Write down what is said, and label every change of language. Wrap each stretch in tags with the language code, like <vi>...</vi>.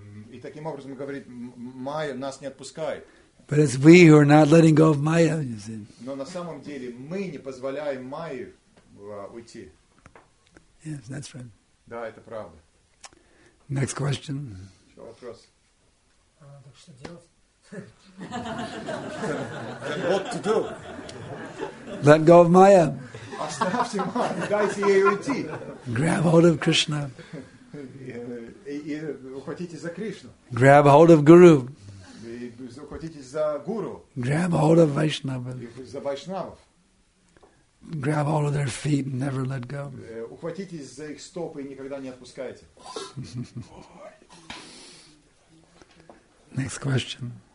<ru>И таким образом говорит, Maya нас не отпускает.</ru> <en>But it's we who are not letting go of Maya, you see.</en> <ru>Но на самом деле мы не позволяем Майе уйти.</ru> <en>Yes, that's right.</en> <ru>Да, это правда.</ru> <en>Next question.</en> <ru>Еще вопрос. Так что делать?</ru> <en>What to do? Let go of Maya.</en> <ru>Оставьте Майю, дайте ей уйти.</ru> <en>Grab hold of Krishna.</en> <ru>И ухватитесь за Кришну.</ru> <en>Grab hold of Guru.</en> <ru>И ухватитесь за Гуру.</ru> <en>Grab hold of Vaishnava.</en> <ru>За Вайшнавов.</ru> <en>Grab hold of their feet and never let go.</en> <ru>Ухватитесь за их стопы и никогда не отпускайте.</ru> <en>Next question.</en>